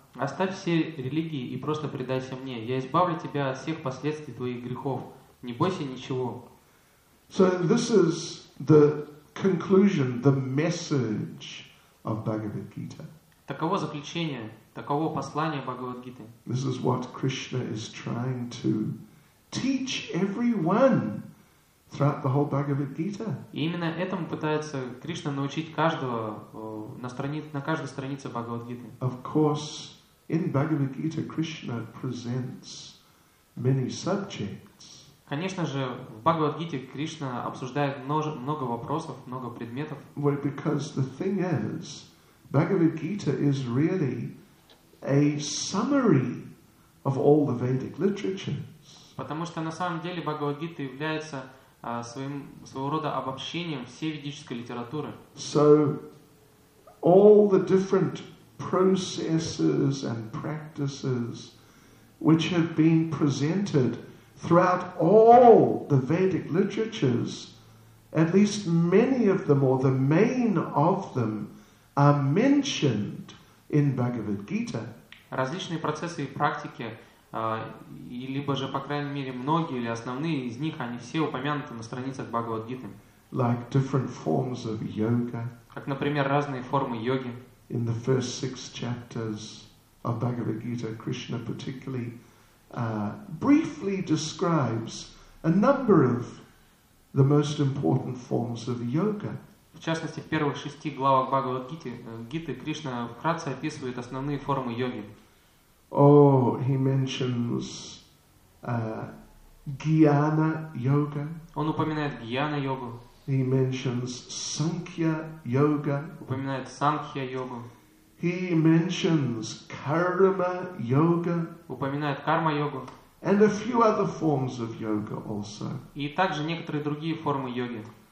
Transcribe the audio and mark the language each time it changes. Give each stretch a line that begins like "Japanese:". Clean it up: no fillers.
Russian: Оставь все религии и просто предайся мне. Я избавлю тебя от всех последствий твоих грехов. Не бойся ничего.
English: So this is the conclusion, the message of Bhagavad Gita.
Russian: Таково заключение, таково послание Бхагавад Гиты.
English: This is what Krishna is trying to teach everyone throughout the whole Bhagavad Gita.
Russian: И именно этому пытается Кришна научить каждого на каждой странице Бхагавад Гиты.
English: Of course, in Bhagavad Gita, Krishna presents many subjects.
Russian: Конечно же, в Бхагавад Гите Кришна обсуждает много вопросов, много предметов.
English: Well, because the thing is, Bhagavad Gita is really a summary of all the Vedic literatures.
Russian: Потому что на самом деле Бхагавад Гита является своего рода обобщением всей ведической литературы.
English: So, all the different processes and practices which have been presented throughout all the Vedic literatures, at least many of them, or the main of them, are mentioned in Bhagavad Gita.
Russian: различные процессы и практики, либо же, по крайней мере, многие или основные из них, они все упомянуты на страницах Бхагавад-гиты.
English: Like different forms of yoga.
Russian: Как, например, разные формы йоги.
English: In the first six chapters of Bhagavad-gita, Krishna particularly briefly describes a number of the most important forms of yoga.
Russian: В частности, в первых шести главах Бхагавад-гиты Кришна вкратце описывает основные формы йоги.
English: Oh, he mentions Gyana yoga.
Russian: Он упоминает Гьяна йогу.
English: He mentions Sankhya yoga.
Russian: Упоминает Сангхья йогу.
English: He mentions Karma yoga.
Russian: Упоминает Карма йогу.
English: And a few other forms of yoga also.
Russian: И также некоторые другие формы йоги.